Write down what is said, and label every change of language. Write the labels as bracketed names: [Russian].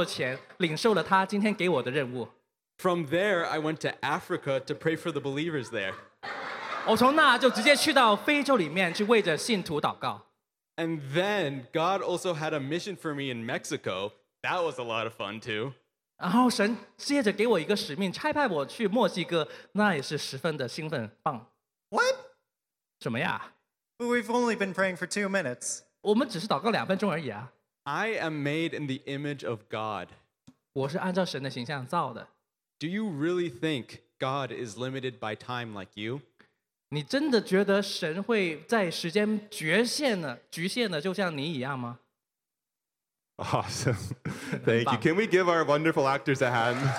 [Chinese] 我刚刚上到神的宝座前,领受了他今天给我的任务。 [English] From there, I went to Africa to pray for the believers there. [Chinese] 我从那就直接去到非洲里面去为着信徒祷告。 [English] And then, God also had a mission for me in Mexico. That was a lot of fun too. [Chinese] 然后神接着给我一个使命,差派我去墨西哥,那也是十分的兴奋棒。 [English] What? [Chinese] 什么呀? [English] We've only been praying for 2 minutes. [Chinese] 我们只是祷告2分钟而已啊。 [English] I am made in the image of God. [Chinese] 我是按照神的形象造的。 [English] Do you really think God is limited by time like you? [Chinese] 你真的觉得神会在时间局限的就像你一样吗? [English] Awesome. Thank you. Can we give our wonderful actors a hand?